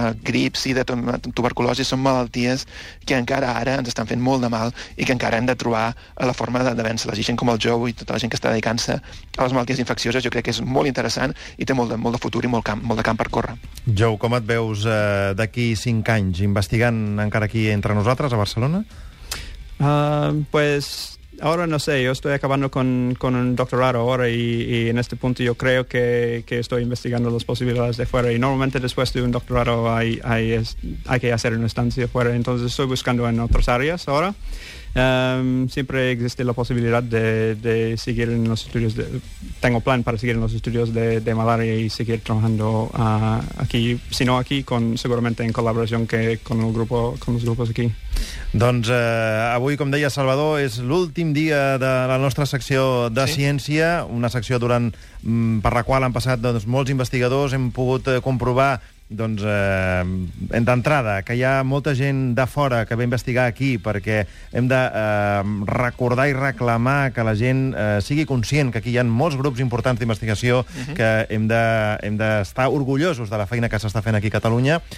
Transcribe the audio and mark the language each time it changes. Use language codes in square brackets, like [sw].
[ca] grips i de tuberculosi són malalties que encara ara ens estan fent molt de mal i que encara hem de trobar la forma de vèncer-les, i gent com el Joe i tota la gent que està dedicant-se a les malalties infeccioses, jo crec que és molt interessant i té molt de futur i molt de camp per córrer. Joe, com et veus d'aquí 5 anys investigant encara aquí entre nosaltres a Barcelona? [es] Pues ahora no sé, yo estoy acabando con un doctorado ahora y en este punto yo creo que estoy investigando las posibilidades de fuera, y normalmente después de un doctorado hay que hacer una estancia fuera, entonces estoy buscando en otras áreas ahora. Siempre existe la posibilidad de seguir en los estudios tengo plan para seguir en los estudios de malaria y seguir trabajando aquí, si no aquí, seguramente en colaboración con los grupos aquí. [ca] Doncs avui, com deia Salvador, és l'últim dia de la nostra secció de ciència, una secció durant per la qual han passat doncs, molts investigadors, hem pogut comprovar doncs, d'entrada, que hi ha molta gent de fora que ve a investigar aquí, perquè hem de recordar i reclamar que la gent sigui conscient que aquí hi ha molts grups importants d'investigació, que hem de estar orgullosos de la feina que s'està fent aquí a Catalunya.